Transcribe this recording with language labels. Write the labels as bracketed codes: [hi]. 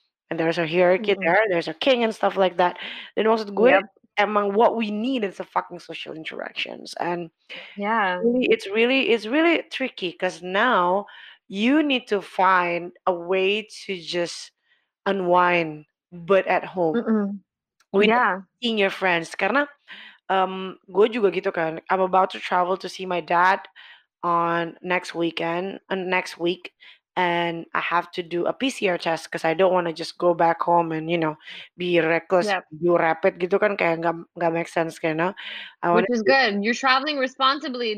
[en] And there's a hierarchy there. There's a king and stuff like that. Then also good. Among what we need is a fucking social interactions. And it's really tricky, because now you need to find a way to just unwind, but at home. Seeing your friends. [id] Karena gue juga gitu kan. [en] I'm about to travel to see my dad on next week. And I have to do a PCR test because I don't want to just go back home and, you know, be reckless, do rapid [id] gitu kan, kayak gak [en] make sense, [id] kayak, [en] no? Which is good. You're traveling responsibly.